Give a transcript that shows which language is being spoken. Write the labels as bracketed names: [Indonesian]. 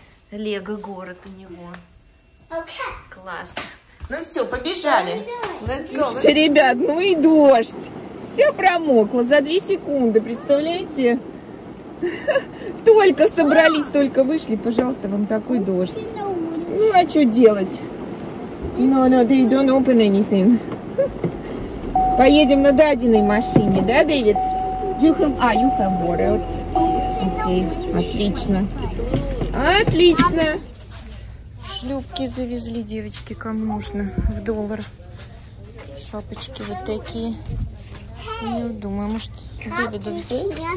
[Russian] Лего-город у него. Класс. Ну все, побежали. [English] Let's go. [Russian] Ребят, ну и дождь. Все промокло за 2 секунды, представляете? Только собрались, только вышли. Пожалуйста, вам такой дождь. Ну а что делать? [English] No, they don't open anything. [Russian] Поедем на дадиной машине, да, Дэвид? [English] You have water. [Russian] Окей, отлично. Отлично. Шлюпки завезли, девочки, кому нужно в доллар. Шапочки вот такие. Не думаю, может, Дэвиду взять?